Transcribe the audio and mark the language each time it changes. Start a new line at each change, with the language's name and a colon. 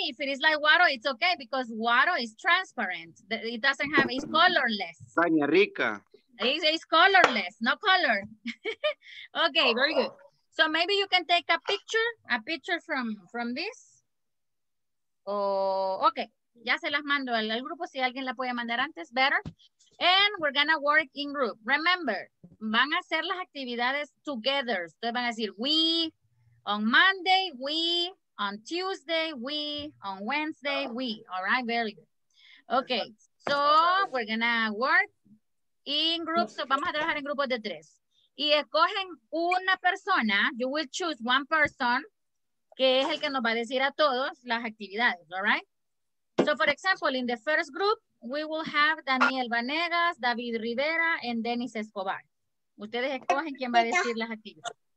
English: If it is like guaro, it's okay because guaro is transparent. It doesn't have, it's colorless.
Spanish: Saña rica.
English: It's colorless, no color. Okay, very good. So maybe you can take a picture from this. Oh, okay.
Spanish: Ya se las mando al grupo, si alguien la puede mandar antes, better.
English: And we're gonna work in group. Remember,
Spanish: van a hacer las actividades
English: together.
Spanish: Ustedes van a decir,
English: we on Monday, we on Tuesday, we on Wednesday, we. All right, very good. Okay, so we're gonna work in groups.
Spanish: So vamos a trabajar en grupos de tres. Y escogen una persona,
English: you will choose one person,
Spanish: que es el que nos va a decir a todos las actividades, all right?
English: So for example, in the first group, we will have Daniel Vanegas, David Rivera, and Dennis Escobar.
Spanish: Ustedes escogen quién va a decir las actividades.